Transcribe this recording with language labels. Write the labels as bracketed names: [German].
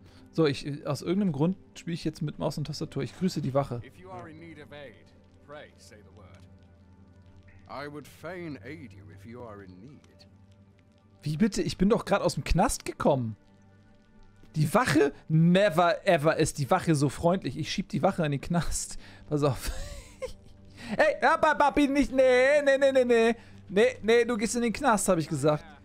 [German] So, ich aus irgendeinem Grund spiele ich jetzt mit Maus und Tastatur. Ich grüße die Wache. [English] If you are in need of aid, pray say the word. I would fain aid you if you are in need. [German] Wie bitte? Ich bin doch gerade aus dem Knast gekommen. Die Wache? [English] Never ever [German] ist die Wache so freundlich. Ich schieb die Wache in den Knast. Pass auf. Hey, Papi, nicht, nee, du gehst in den Knast, habe ich gesagt.